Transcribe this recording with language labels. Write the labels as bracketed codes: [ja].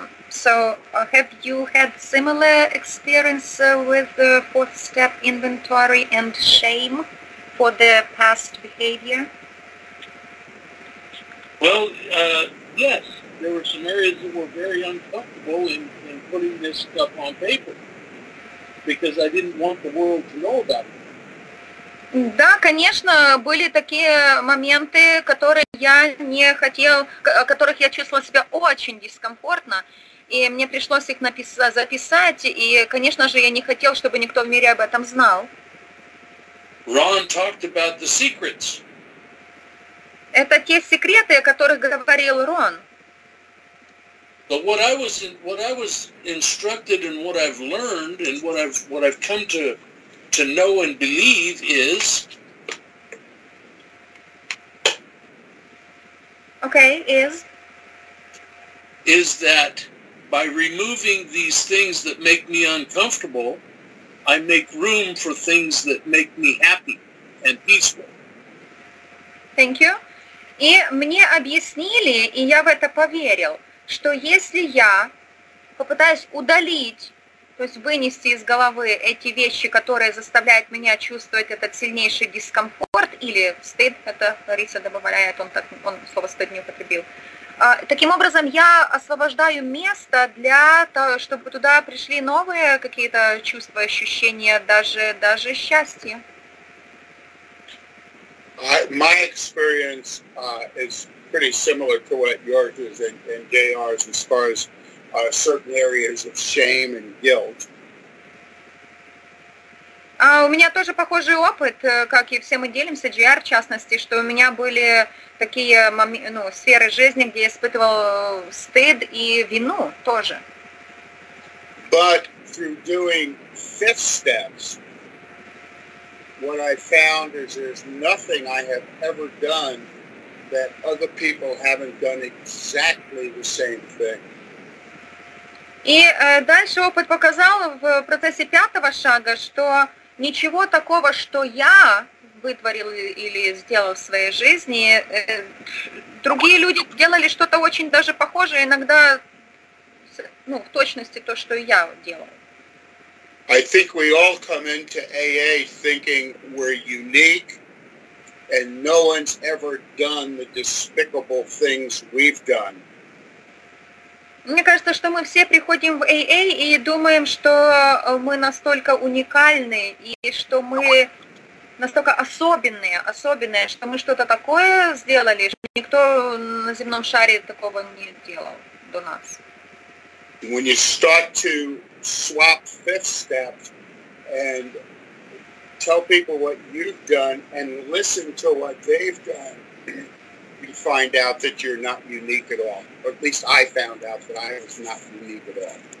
[en] So have you had similar experience with the fourth step inventory and shame for the past behavior? Well, yes. There were some areas that were very uncomfortable in putting this stuff on paper because I didn't want the world to know about it. [ru] Да, конечно, были такие моменты, которые я не хотел, о которых я чувствовал себя очень дискомфортно, и мне пришлось их записать, и, конечно же, я не хотел, чтобы никто в мире об этом знал. [en] Ron talked about the secrets. [ru] Это те секреты, о которых говорил Рон. [en] But what I was instructed and what I've learned and what I've come to know and believe is... Okay, is? Is that by removing these things that make me uncomfortable, I make room for things that make me happy and peaceful. Thank you. [ru] И мне объяснили, и я в это поверил, что если я попытаюсь удалить, то есть вынести из головы эти вещи, которые заставляют меня чувствовать этот сильнейший дискомфорт, или стыд, это Лариса добавляет, он слово стыд не употребил. Таким образом, я освобождаю место для того, чтобы туда пришли новые какие-то чувства, ощущения, даже счастье. [en] My experience is pretty similar to what yours is and JR's as far as certain areas of shame and guilt. [ru] У меня тоже похожий опыт, как и все мы делимся, JR, в частности, что у меня были такие сферы жизни, где я испытывал стыд и вину тоже. [en] But through doing fifth steps, what I found is there's nothing I have ever done that other people haven't done exactly the same thing. [ru] И дальше опыт показал в процессе пятого шага, что ничего такого, что я вытворил или сделал в своей жизни, другие люди делали что-то очень даже похожее, иногда в точности то, что я делал. [en] I think we all come into AA thinking we're unique and no one's ever done the despicable things we've done. [ru] Мне кажется, что мы все приходим в AA и думаем, что мы настолько уникальны, и что мы настолько особенные, что мы что-то такое сделали, что никто на земном шаре такого не делал до нас. [en] When you start to swap fifth steps and tell people what you've done and listen to what they've done, you find out that you're not unique at all. Or at least I found out that I was not unique at all.